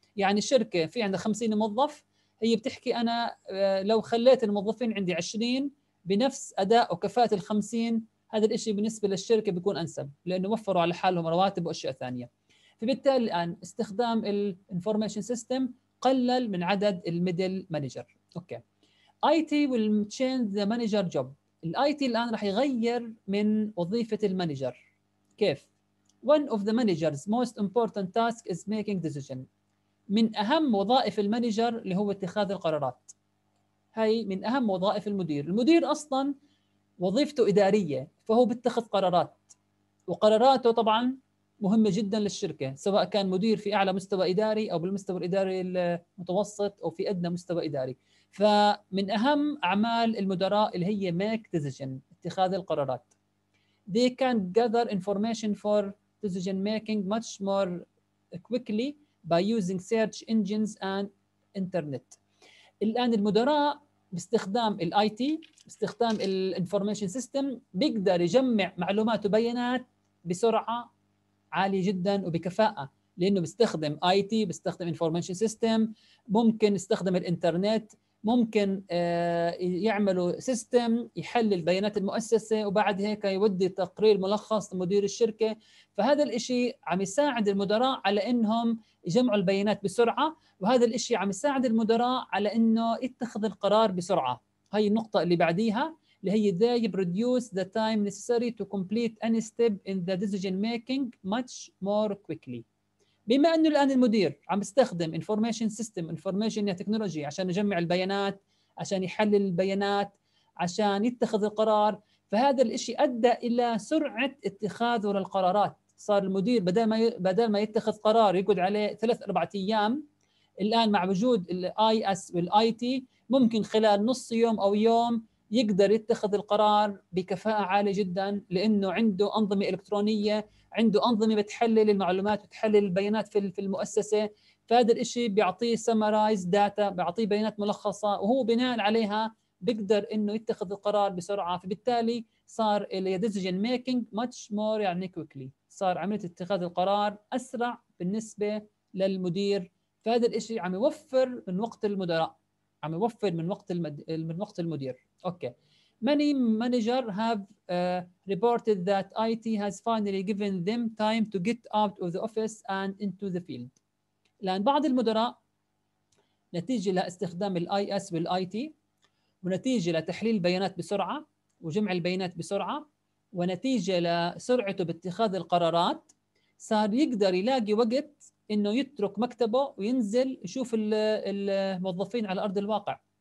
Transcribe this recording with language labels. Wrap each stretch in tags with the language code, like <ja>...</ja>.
<ar>يعني الشركة في عندها 50 موظف، هي بتحكي أنا لو خليت الموظفين عندي 20 بنفس أداء وكفاءة 50، هذا الإشي بالنسبة للشركة بيكون أنسب، لأنه وفروا على حالهم رواتب وأشياء ثانية. فبالتالي الآن استخدام الـ Information System قلل من عدد الـ Middle Manager. أوكي.</ar> <en>IT will change the manager job.</en> <ar>الـ IT الآن رح يغير من وظيفة المانجر. كيف؟</ar> <en>One of the manager's most important task is making decision.</en> <ar>من أهم وظائف المانجر اللي هو اتخاذ القرارات، هاي من أهم وظائف المدير. المدير أصلاً وظيفته إدارية، فهو بيتخذ قرارات، وقراراته طبعاً مهمة جداً للشركة، سواء كان مدير في أعلى مستوى إداري أو بالمستوى الإداري المتوسط أو في أدنى مستوى إداري. فمن أهم أعمال المدراء اللي هي</ar> <en>make decision،</en> <ar>اتخاذ القرارات.</ar> <en>They can gather information for decision making much more quickly by using search engines and internet.</en> <ar>الآن المدراء باستخدام الـ IT، باستخدام الـ Information System، بيقدر يجمع معلومات وبيانات بسرعة عالية جداً وبكفاءة. لانه بيستخدم اي تي، بيستخدم انفورميشن سيستم، ممكن يستخدم الانترنت، ممكن يعملوا سيستم يحلل بيانات المؤسسة وبعد هيك يودي تقرير ملخص لمدير الشركة. فهذا الاشي عم يساعد المدراء على انهم يجمعوا البيانات بسرعة، وهذا الاشي عم يساعد المدراء على انه يتخذ القرار بسرعة. هاي النقطة اللي بعديها اللي هي</ar> <en>they produce the time necessary to complete any step in the decision making much more quickly.</en> <ar>بما أنه الآن المدير عم يستخدم information system, information technology عشان يجمع البيانات، عشان يحلل البيانات، عشان يتخذ القرار، فهذا الإشي أدى إلى سرعة اتخاذه للقرارات. صار المدير بدل ما يتخذ قرار يقعد عليه 3-4 أيام، الآن مع وجود الـ IS والـ IT ممكن خلال نص يوم أو يوم يقدر يتخذ القرار بكفاءة عالية جداً، لأنه عنده أنظمة إلكترونية، عنده أنظمة بتحلل المعلومات وتحلل البيانات في المؤسسة. فهذا الإشي بيعطيه</ar> <en>summarize data،</en> <ar>بيعطيه بيانات ملخصة، وهو بناء عليها بيقدر إنه يتخذ القرار بسرعة. فبالتالي صار</ar> <en>decision making much more</en> <ar>يعني</ar> <en>quickly،</en> <ar>صار عملية اتخاذ القرار أسرع بالنسبة للمدير. فهذا الإشي عم يوفر من وقت المدراء، عم يوفر من وقت وقت المدير. أوكي.</ar> <en>Many managers have reported that IT has finally given them time to get out of the office and into the field.</en> <ar>لأن بعض المدراء نتيجة لاستخدام الـ IS والـ IT ونتيجة لتحليل البيانات بسرعة وجمع البيانات بسرعة ونتيجة لسرعته باتخاذ القرارات، صار يقدر يلاقي وقت إنه يترك مكتبه وينزل يشوف الموظفين على أرض الواقع،</ar>